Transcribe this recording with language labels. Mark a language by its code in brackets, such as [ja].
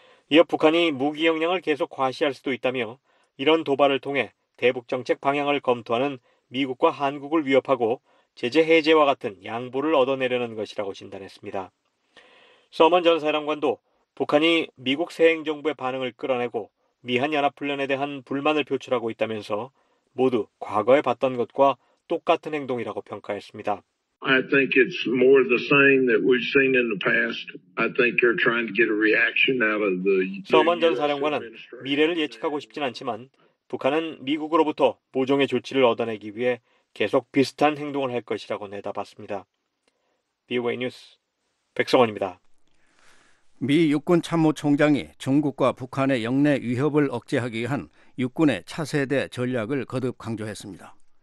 [ko] 이어 북한이 무기 역량을 계속 과시할 수도 있다며 이런 도발을 통해 대북 정책 방향을 검토하는 미국과 한국을 위협하고 제재 해제와 같은 양보를 얻어내려는 것이라고 진단했습니다. 서먼 전 사령관도 북한이 미국 새 행정부의 반응을 끌어내고 미한 연합훈련에 대한 불만을 표출하고 있다면서 모두 과거에 봤던 것과 똑같은 행동이라고 평가했습니다. [en] I think it's more the same that we've seen in the past. I think they're trying to get a reaction out of the. [ko] 서먼 전 사령관은 미래를 예측하고 싶진 않지만 북한은 미국으로부터 모종의 조치를 얻어내기 위해 계속 비슷한 행동을 할 것이라고 내다봤습니다. BOA 뉴스 백성원입니다. 미 육군참모총장이 중국과 북한의 영내 위협을 억제하기 위한 육군의 차세대 전략을 거듭 강조했습니다.